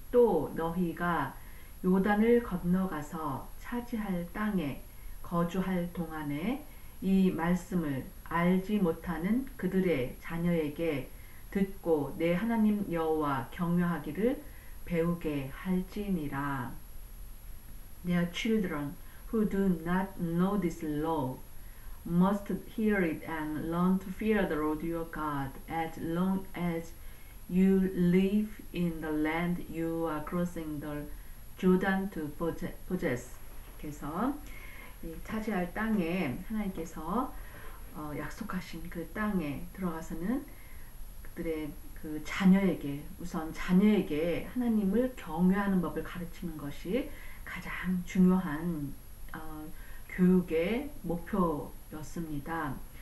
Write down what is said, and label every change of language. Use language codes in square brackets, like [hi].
[ko] 또 너희가 요단을 건너가서 차지할 땅에 거주할 동안에 이 말씀을 알지 못하는 그들의 자녀에게 듣고 내 하나님 여호와 경외하기를 배우게 할지니라. [en] Their children who do not know this law must hear it and learn to fear the Lord your God as long as you live in the land you are crossing the Jordan to possess. [ko] 그래서 차지할 땅에 하나님께서 약속하신 그 땅에 들어가서는 그들의 그 자녀에게, 우선 자녀에게 하나님을 경외하는 법을 가르치는 것이 가장 중요한 교육의 목표였습니다.